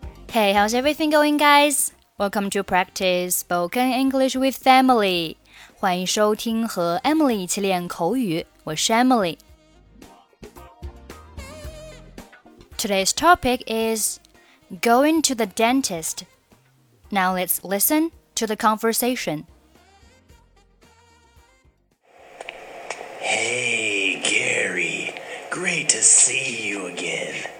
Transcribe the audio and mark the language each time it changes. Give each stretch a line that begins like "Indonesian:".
English: Hey, how's everything going, guys? Welcome to Practice Spoken English with Emily.
Chinese: 欢迎收听和 Emily 一起练口语。我是 Emily.
English: Today's topic is going to the dentist. Now let's listen to the conversation. Hey, Gary. Great to see you again.